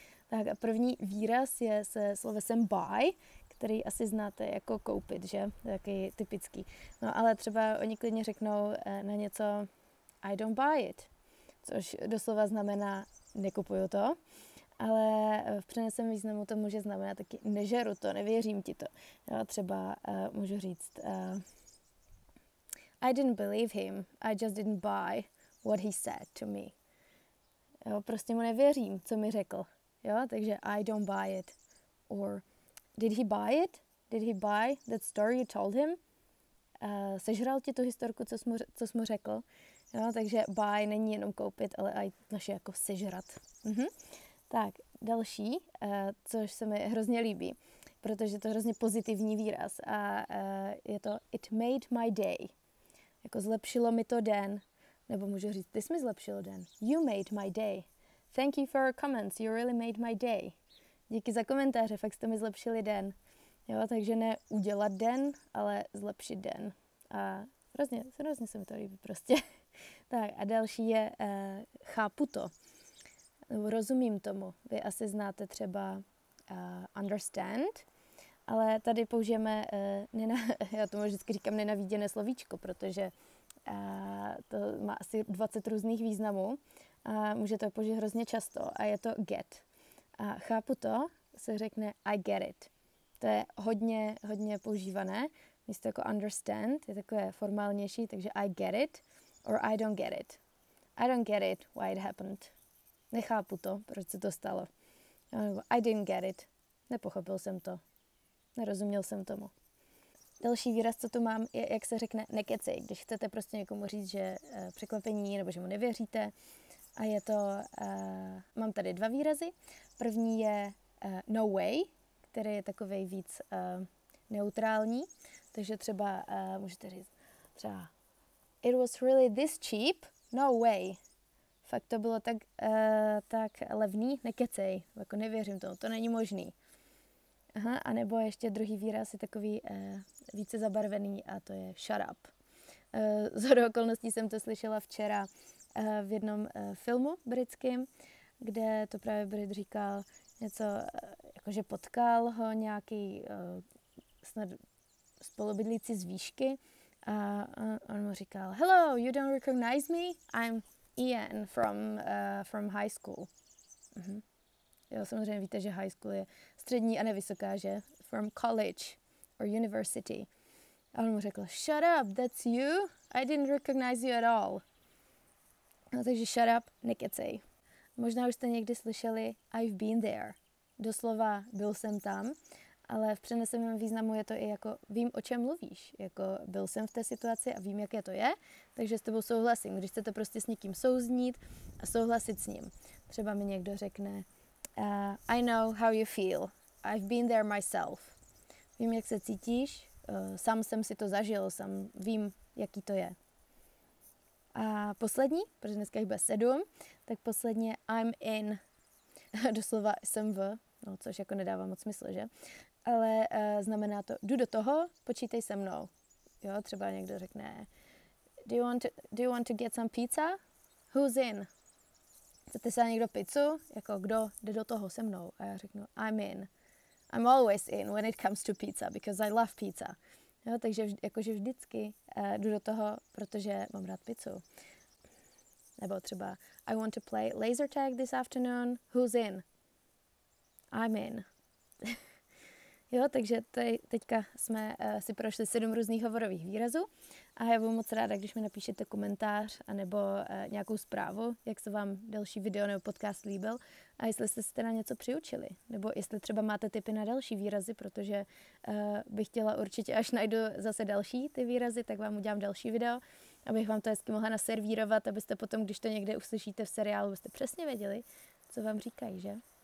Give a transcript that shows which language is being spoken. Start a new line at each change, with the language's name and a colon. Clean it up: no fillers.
Czech: Tak a první výraz je se slovesem buy, který asi znáte jako koupit, že? Taky typický. No ale třeba oni klidně řeknou na něco
English: I don't buy it.
Czech: Což doslova znamená, nekupuju to, ale v přeneseném významu to může znamenat taky, nežeru to, nevěřím ti to. Jo, třeba můžu říct,
English: I didn't believe him, I just didn't buy what he said to me.
Czech: Jo, prostě mu nevěřím, co mi řekl. Jo, takže
English: I don't buy it. Or, did he buy it? Did he buy that story you told him?
Czech: Sežral ti tu historku, co jsi mu řekl? No, takže buy není jenom koupit, ale i naše jako sežrat. Mhm. Tak, další, což se mi hrozně líbí, protože to je hrozně pozitivní výraz. A je to
English: it made my day.
Czech: Jako zlepšilo mi to den. Nebo můžu říct, ty jsi mi zlepšil den.
English: You made my day. Thank you for your comments, you really made my day.
Czech: Díky za komentáře, fakt jste mi zlepšili den. Jo, takže ne udělat den, ale zlepšit den. A hrozně se mi to líbí prostě. Tak a další je chápu to, nebo rozumím tomu. Vy asi znáte třeba understand, ale tady použijeme, já tomu vždycky říkám nenaviděné slovíčko, protože to má asi 20 různých významů a může to použít hrozně často a je to get. A chápu to se řekne
English: I get it.
Czech: To je hodně, hodně používané. Místo jako understand je takové formálnější, takže
English: I get it. Or I don't get it. I don't get it why it happened.
Czech: Nechápu to, proč se to stalo. Nebo
English: I didn't get it.
Czech: Nepochopil jsem to. Nerozuměl jsem tomu. Další výraz, co tu mám, je, jak se řekne, nekeci. Když chcete prostě někomu říct, že překvapení, nebo že mu nevěříte. A je to, mám tady 2 výrazy. První je
English: no way,
Czech: který je takovej víc neutrální. Takže třeba můžete říct, třeba
English: it was really this cheap? No way.
Czech: Fakt to bylo tak, tak levný? Nekecej. Jako nevěřím tomu, to není možný. Aha, anebo ještě druhý výraz je takový více zabarvený a to je
English: shut up.
Czech: Zhodou okolností jsem to slyšela včera v jednom filmu britském, kde to právě Brit říkal něco, jakože potkal ho nějaký snad spolubydlící z výšky. A on mu říkal,
English: hello, you don't recognize me? I'm Ian from high school. Mhm.
Czech: Jo, samozřejmě víte, že high school je střední a nevysoká, že?
English: From college or university.
Czech: A on mu řekl,
English: shut up, that's you? I didn't recognize you at all.
Czech: No, takže
English: shut up,
Czech: nekecej. Možná už jste někdy slyšeli,
English: I've been there.
Czech: Doslova, byl jsem tam. Ale v přeneseném významu je to i jako vím, o čem mluvíš. Jako byl jsem v té situaci a vím, jaké to je, takže s tebou souhlasím. Když chcete prostě s někým souznít a souhlasit s ním. Třeba mi někdo řekne
English: I know how you feel. I've been there myself.
Czech: Vím, jak se cítíš. Sám jsem si to zažil. Sám vím, jaký to je. A poslední, protože dneska jich bude 7, tak posledně
English: I'm in.
Czech: Doslova jsem v, no, což jako nedává moc smysl, že? Ale znamená to, jdu do toho, počítej se mnou. Jo, třeba někdo řekne,
English: do you want to get some pizza? Who's in?
Czech: Chcete se na někdo pizzu? Jako, kdo jde do toho se mnou? A já řeknu,
English: I'm in. I'm always in when it comes to pizza, because I love pizza.
Czech: Jo, takže jakože vždycky jdu do toho, protože mám rád pizzu. Nebo třeba,
English: I want to play laser tag this afternoon. Who's in? I'm in.
Czech: Jo, takže teďka jsme si prošli 7 různých hovorových výrazů a já budu moc ráda, když mi napíšete komentář anebo nějakou zprávu, jak se vám další video nebo podcast líbil a jestli jste se teda něco přiučili nebo jestli třeba máte tipy na další výrazy, protože bych chtěla určitě, až najdu zase další ty výrazy, tak vám udělám další video, abych vám to hezky mohla naservírovat, abyste potom, když to někde uslyšíte v seriálu, abyste přesně věděli, co vám říkají, že?